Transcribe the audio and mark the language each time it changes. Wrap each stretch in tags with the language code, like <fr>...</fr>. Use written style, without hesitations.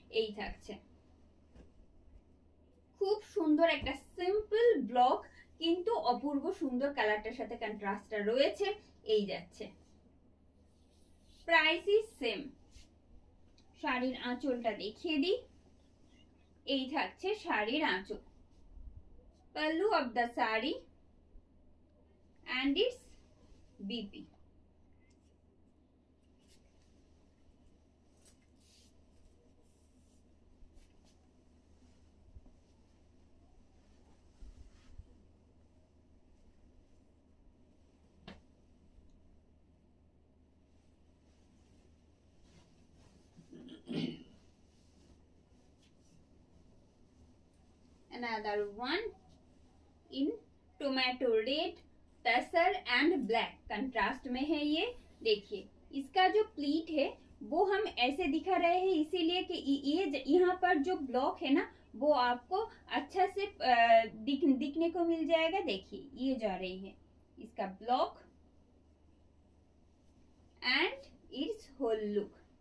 <bn>এই থাকছে খুব সুন্দর একটা সিম্পল ব্লক, কিন্তু অপূর্ব সুন্দর কালারটার সাথে কন্ট্রাস্টটা রয়েছে, এই যাচ্ছে। প্রাইস ইজ সেম, শাড়ির আঁচলটা দেখিয়ে দিই, এই থাকছে শাড়ির আঁচল,</bn> <en>pallu of the sari and it's BP Another one in tomato red, tussar and black contrast</en> <hi>में है ये. देखिए इसका जो pleat है वो हम ऐसे दिखा रहे हैं इसीलिए कि ये यहाँ पर जो block है ना वो आपको अच्छा से दिखने को मिल जाएगा. देखिए ये जा रही है इसका</hi> <en>block and its whole look.</en>